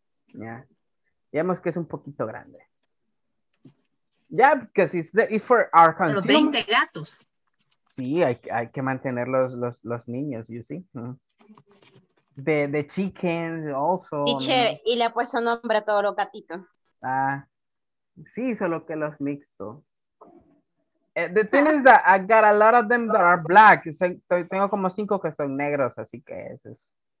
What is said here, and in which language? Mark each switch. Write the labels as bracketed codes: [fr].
[es] Yeah, digamos que es un poquito grande. [en] Yeah, because it's for our consumption. [es] Los 20 gatos. Sí, hay que mantener los niños, [en] you see. The chickens also. [es] Teacher, y le ha puesto nombre a todos los gatitos. Ah, sí, solo que los mixto. [en] The thing is that I got a lot of them that are black. [es] Tengo como 5 que son negros, así que eso es.